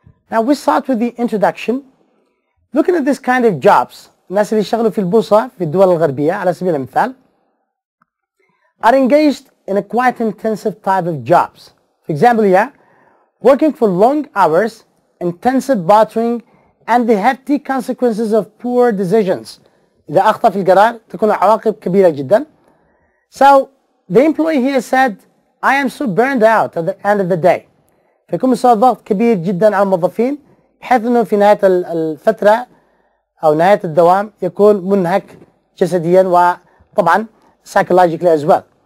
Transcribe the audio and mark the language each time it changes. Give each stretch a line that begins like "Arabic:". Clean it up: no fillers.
English: Now we start with the introduction. Looking at this kind of jobs,
Arabic: الناس اللي يشتغلوا في البورصة في الدول الغربية على سبيل المثال
English: are engaged in a quite intensive type of jobs. For example, yeah, working for long hours, intensive bartering, and the hefty consequences of poor decisions.
Arabic: إذا أخطأ في القرار تكون عواقب كبيرة جدا.
English: So the employee here said, I am so burned out at the end of the day.
Arabic: فيكون مستوى ضغط كبير جدا على الموظفين بحيث انه في نهاية الفترة او نهاية الدوام يكون منهك جسديا وطبعا
English: psychologically as well.